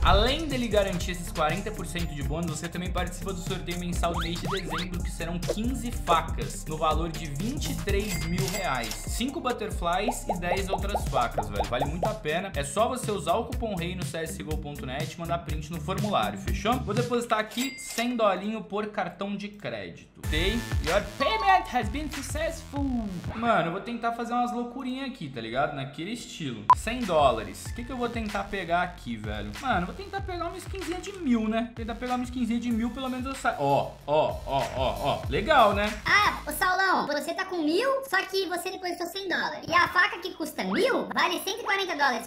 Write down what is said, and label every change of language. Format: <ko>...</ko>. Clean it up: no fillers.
<pt>Além dele garantir esses 40% de bônus, você também participa do sorteio mensal do mês de dezembro, que serão 15 facas no valor de R$23 mil. 5 butterflies e 10 outras facas, velho. Vale muito a pena. É só você usar o cupom REI no csgo.net e mandar print no formulário, fechou? Vou depositar aqui 100 dolinho por cartão de crédito.</pt> <en>Okay? Your payment has been successful.</en> <pt>Mano, eu vou tentar fazer umas loucurinhas aqui, tá ligado? Naquele estilo. 100 dólares. O que que eu vou tentar pegar aqui, velho? Mano, vou tentar pegar uma skinzinha de 1000, né? Tentar pegar uma skinzinha de 1000, pelo menos eu saio. Ó. Legal, né? Ah, ô Saulão, você tá com 1000, só que você depositou 100 dólares. E a faca que custa 1000 vale 140 dólares.</pt>